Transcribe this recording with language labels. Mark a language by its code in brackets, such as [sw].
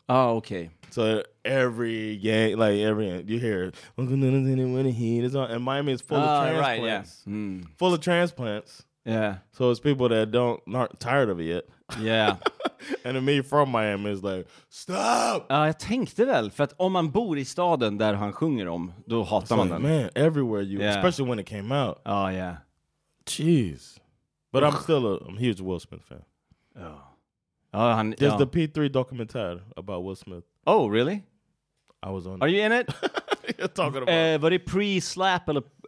[en] Oh, okay. So every game, like every, you hear, welcome to the city where the heat is on. And Miami is full of transplants. Right, yeah. Full of transplants. Yeah. So it's people that don't, aren't tired of it yet. Yeah. And me from Miami is like, stop! [sv] Jag tänkte väl, för att om man bor i staden där han sjunger om, då hatar [en] it's [sv] man [en] like, [sv] den. [en] Man, everywhere you, yeah. Especially when it came out. Oh, yeah. Jeez. But I'm still a huge Will Smith fan. Oh. Oh, [sv] han, [en] there's the P3 documentary about Will Smith. Oh, really? I was on. Are you in it? You're talking about. Was it pre-slap or